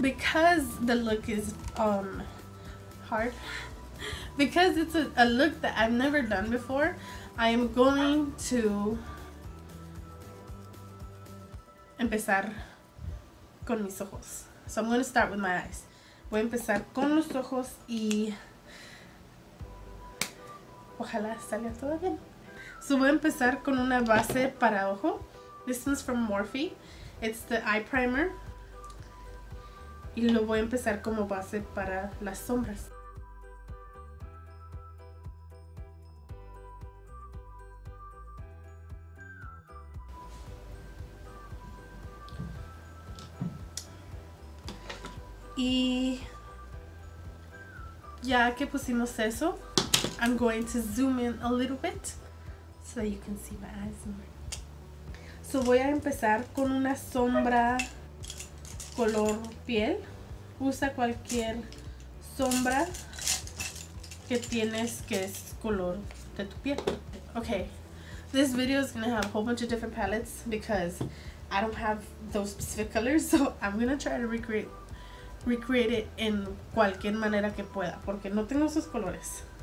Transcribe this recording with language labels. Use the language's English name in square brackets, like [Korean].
[English] Because the look is hard, because it's a look that I've never done before, I am going to [Spanish] empezar con mis ojos. [English] So I'm going to start with my eyes. [Spanish] Voy a empezar con los ojos y ojalá salga todo bien. So voy a empezar con una base para ojo. [English] This one's from Morphe. It's the eye primer. [Spanish] Y lo voy a empezar como base para las sombras. Y ya que pusimos eso, [English] I'm going to zoom in a little bit so that you can see my eyes more. [Spanish] So voy a empezar con una sombra color piel. Usa cualquier sombra que tienes que es color de tu piel. [English] Okay, this video is going to have a whole bunch of different palettes because I don't have those specific colors, so I'm going to try to recreate it in [Spanish] cualquier manera que pueda porque no tengo esos colores.